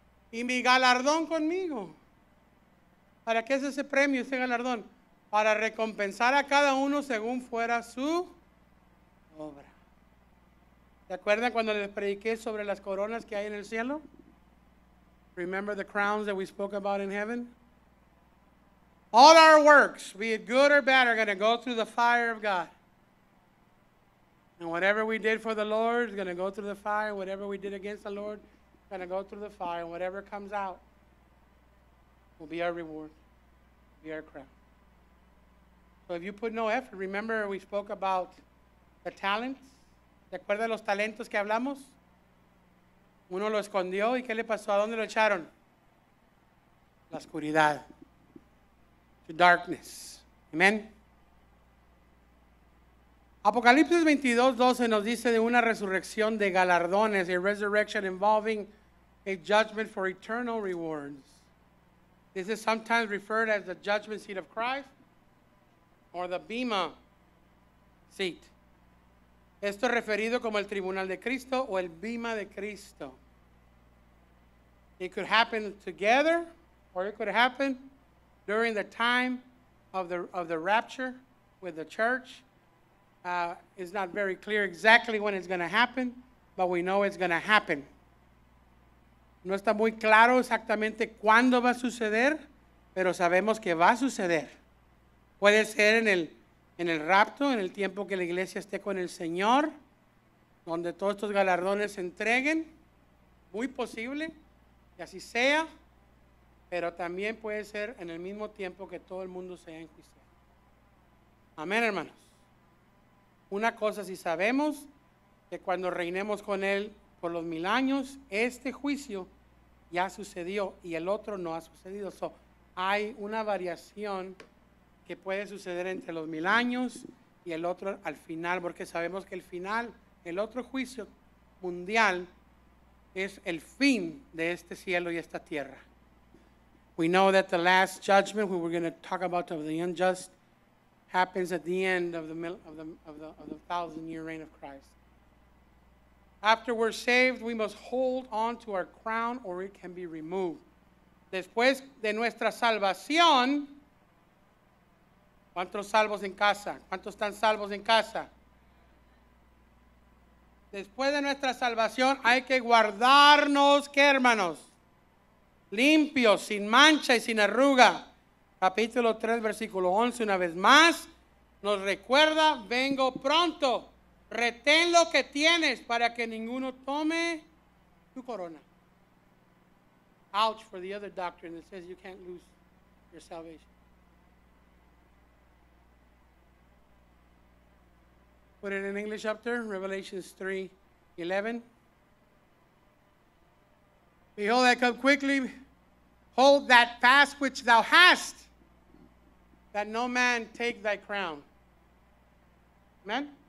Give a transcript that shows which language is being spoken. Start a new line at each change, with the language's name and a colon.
Spanish: Y mi galardón conmigo. ¿Para qué es ese premio, ese galardón? Para recompensar a cada uno según fuera su obra. ¿Se acuerdan cuando les prediqué sobre las coronas que hay en el cielo?
English: Remember the crowns that we spoke about in heaven? All our works, be it good or bad, are going to go through the fire of God. And whatever we did for the Lord is going to go through the fire. Whatever we did against the Lord is going to go through the fire. And whatever comes out will be our reward, be our crown. So if you put no effort, remember we spoke about the talents.
Spanish: ¿Te acuerdas de los talentos que hablamos? Uno lo escondió y ¿qué le pasó? ¿A dónde lo echaron? La oscuridad.
English: To darkness.
Spanish: Amen. Apocalipsis 22, 12 nos dice de una resurrección de galardones,
English: a resurrection involving a judgment for eternal rewards. This is sometimes referred as the judgment seat of Christ or the Bema seat.
Spanish: Esto es referido como el tribunal de Cristo o el Bema de Cristo.
English: It could happen together or it could happen during the time of the rapture with the church. It's not very clear exactly when it's going to happen, but we know it's going to happen.
Spanish: No está muy claro exactamente cuándo va a suceder, pero sabemos que va a suceder. Puede ser en el rapto, en el tiempo que la iglesia esté con el Señor, donde todos estos galardones se entreguen. Muy posible que así sea, pero también puede ser en el mismo tiempo que todo el mundo sea enjuiciado. Amén, hermanos. Una cosa sí sabemos, que cuando reinemos con Él, por los mil años, este juicio ya sucedió y el otro no ha sucedido. So, hay una variación que puede suceder entre los mil años y el otro al final, porque sabemos que el final, el otro juicio mundial, es el fin de este cielo y esta tierra.
English: We know that the last judgment, we were going to talk about of the unjust, happens at the end of the thousand year reign of Christ. After we're saved, we must hold on to our crown or it can be removed.
Spanish: Después de nuestra salvación, ¿cuántos salvos en casa? ¿Cuántos están salvos en casa? Después de nuestra salvación, hay que guardarnos, ¿qué hermanos? Limpios, sin mancha y sin arruga. Capítulo 3, versículo 11, una vez más, nos recuerda, vengo pronto. Retén lo que tienes para que ninguno tome tu corona.
English: Ouch for the other doctrine that says you can't lose your salvation. Put it in English up there, Revelations 3:11. Behold, I come quickly. Hold that fast which thou hast, that no man take thy crown. Amen.